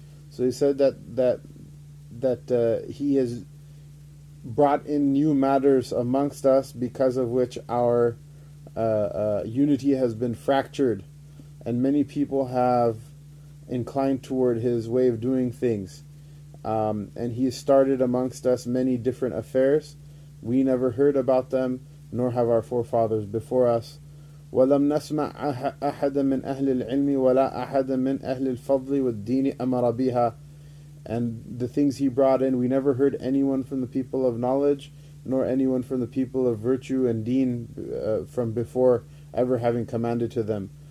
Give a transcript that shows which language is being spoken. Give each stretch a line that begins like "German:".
English: So he said that he has brought in new matters amongst us because of which our unity has been fractured, and many people have inclined toward his way of doing things. And he has started amongst us many different affairs. We never heard about them, nor have our forefathers before us.
Arabic: ولم نسمع أحدا من أهل العلم ولا أحدا من أهل الفضل والدين أمر بها.
English: And the things he brought in, we never heard anyone from the people of knowledge, nor anyone from the people of virtue and deen from before ever having commanded to them.